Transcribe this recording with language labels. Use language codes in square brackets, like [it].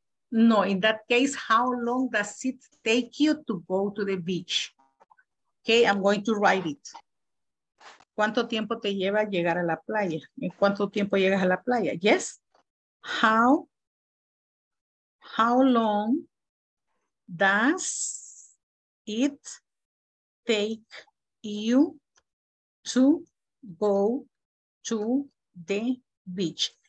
[en] No, in that case, how long does it take you to go to the beach? Okay, I'm going to write it. [es] ¿Cuánto tiempo te lleva llegar a la playa? ¿En cuánto tiempo llegas a la playa? Yes. [en] How long does it take you to go to the beach?